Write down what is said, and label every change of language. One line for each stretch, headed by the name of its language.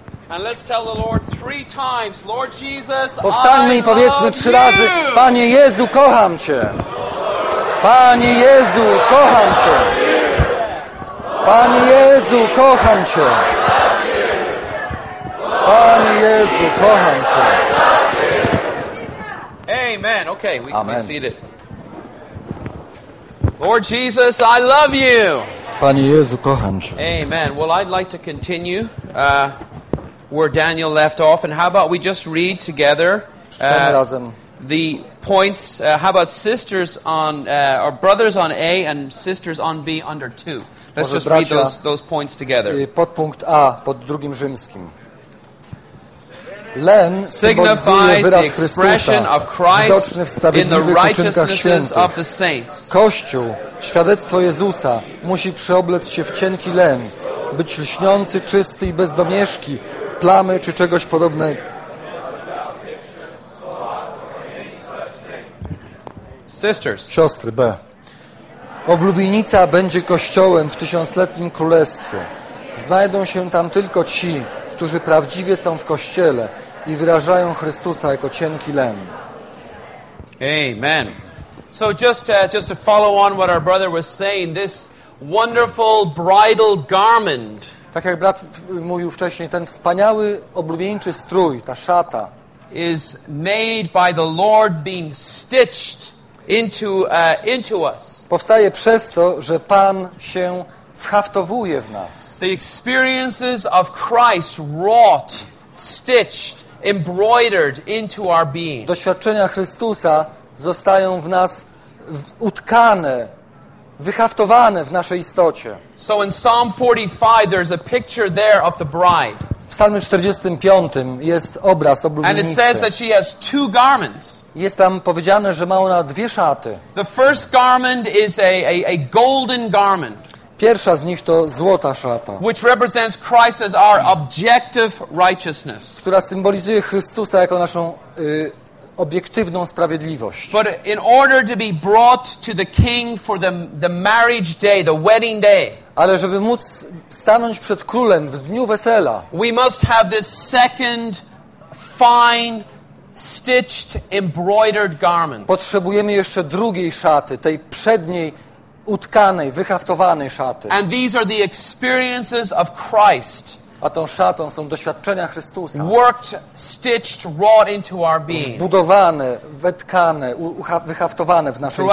English: And let's tell the Lord three times, Lord Jesus,
Polish: powstańmy i powiedzmy trzy razy, Panie Jezu, kocham Cię. Panie Jezu, kocham Cię. Panie Jezu, kocham Cię. Panie Jezu, kocham Cię. Amen.
English: Okay, we can be seated. Lord Jesus, I love you.
Polish: Panie Jezu, kocham Cię. Amen.
English: Well, I'd like to continue where Daniel left off, and how about we just read together the points? How about sisters on or brothers on A and sisters on B under two? Let's just read those points together.
Polish: Podpunkt A pod drugim rzymskim. Len
English: signifies
Polish: wyraz
English: the expression
Polish: Chrystusa,
English: of Christ in the righteousness of the saints.
Polish: Kościół, świadectwo Jezusa, musi przeoblec się w cienki len, być lśniący, czysty i bez domieszki, plamy czy czegoś podobnego.
English: Sisters.
Polish: Siostry B. Oblubienica będzie kościołem w tysiącletnim królestwie. Znajdą się tam tylko ci, którzy prawdziwie są w Kościele i wyrażają Chrystusa jako cienki len. Amen.
English: So just to follow on what our brother was saying, this wonderful bridal garment.
Polish: Tak jak brat mówił wcześniej, ten wspaniały oblubieńczy strój, ta szata,
English: is made by the Lord being stitched into us.
Polish: Powstaje przez to, że Pan się whaftowuje w nas.
English: The experiences of Christ wrought, stitched, embroidered into our being.
Polish: Doświadczenia Chrystusa zostają w nas utkane, wyhaftowane w naszej istocie.
English: So in Psalm 45 there's a picture there of the bride.
Polish: W Psalmie 45 jest obraz oblubienicy.
English: And it says that she has two garments.
Polish: Jest tam powiedziane, że ma ona dwie szaty.
English: The first garment is a golden garment.
Polish: Pierwsza z nich to złota szata,
English: which represents Christ as our objective righteousness,
Polish: która symbolizuje Chrystusa jako naszą obiektywną sprawiedliwość.
English: But in order to be brought to the king for the marriage day, the wedding day,
Polish: ale żeby móc stanąć przed królem w dniu wesela,
English: we must have this second fine stitched embroidered garment.
Polish: Potrzebujemy jeszcze drugiej szaty, tej przedniej utkanej, wyhaftowanej szaty.
English: And these are the experiences of Christ.
Polish: A tą szatą są doświadczenia Chrystusa.
English: Worked, stitched, wrought into our being.
Polish: Wbudowane, wetkane, wyhaftowane w naszej